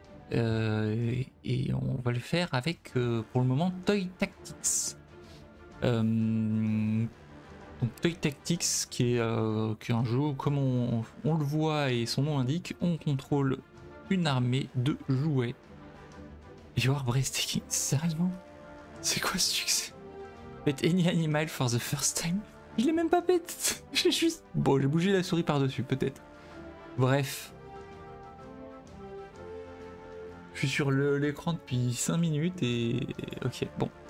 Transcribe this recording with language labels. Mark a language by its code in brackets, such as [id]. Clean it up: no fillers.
[fr] Et on va le faire avec, pour le moment, Toy Tactics. Donc Toy Tactics, qui est un jeu, comme on le voit et son nom l'indique, on contrôle une armée de jouets. [en] Your breathtaking, [fr] sérieusement? C'est quoi ce succès? [en] Bet any animal for the first time? [fr] Je l'ai même pas bet! J'ai juste... Bon, j'ai bougé la souris par-dessus, peut-être. Bref. Je suis sur l'écran depuis 5 minutes et... Ok, bon.